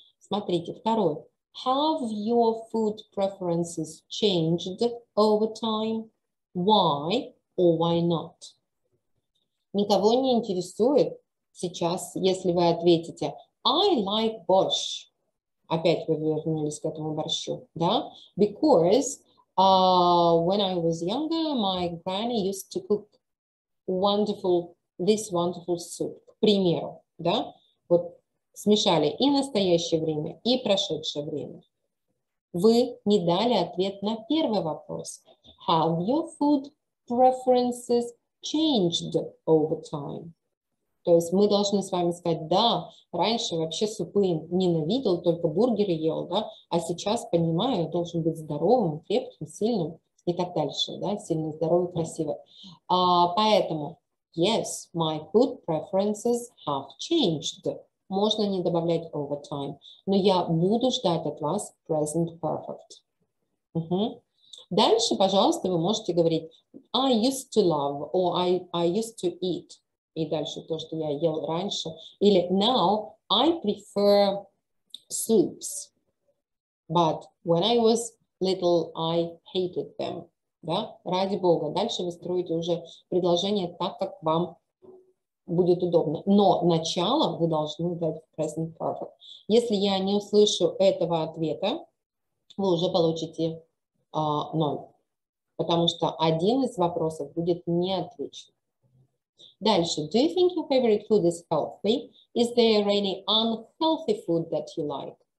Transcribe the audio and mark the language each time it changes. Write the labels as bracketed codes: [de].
[ru] Смотрите, второй. [en] Have your food preferences changed over time? Why or why not? [ru] Никого не интересует сейчас, если вы ответите [en] I like borscht. [ru] Опять вы вернулись к этому борщу, да? [en] Because when I was younger, my granny used to cook this wonderful soup, [ru] к примеру, да? Вот смешали и настоящее время, и прошедшее время. Вы не дали ответ на первый вопрос. Have your food preferences changed over time? То есть мы должны с вами сказать, да, раньше вообще супы ненавидел, только бургеры ел, да, а сейчас понимаю, должен быть здоровым, крепким, сильным и так дальше, да, сильный, здоровый, красивый. Поэтому, [en] yes, my food preferences have changed. [ru] Можно не добавлять [en] over time, [ru] но я буду ждать от вас present perfect. Угу. Дальше, пожалуйста, вы можете говорить [en] I used to love, or I used to eat. [ru] И дальше то, что я ел раньше. Или [en] now I prefer soups. But when I was little, I hated them. [ru] Да? Ради бога. Дальше вы строите уже предложение так, как вам будет удобно. Но начало вы должны дать в present perfect. Если я не услышу этого ответа, вы уже получите ноль. Потому что один из вопросов будет не отвечен. Дальше. [en] Do you think your favorite food is healthy? Is there any unhealthy food that you like?